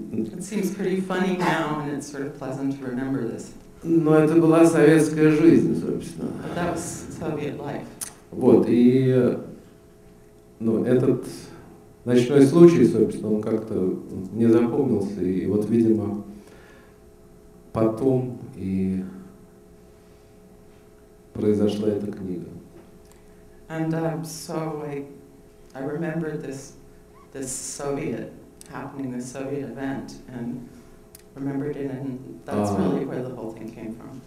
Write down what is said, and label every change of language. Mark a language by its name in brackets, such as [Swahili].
[English] It seems pretty funny now and it's sort of pleasant to remember this. [Russian] Но это была советская жизнь, собственно. [English] But that was Soviet life. [Russian] Вот, и ну, этот ночной случай, собственно, он как-то не запомнился, и вот, видимо, потом и произошла эта книга. [English] And so I remembered this Soviet happening, this Soviet event, and remembered it, and that's really where the whole thing came from.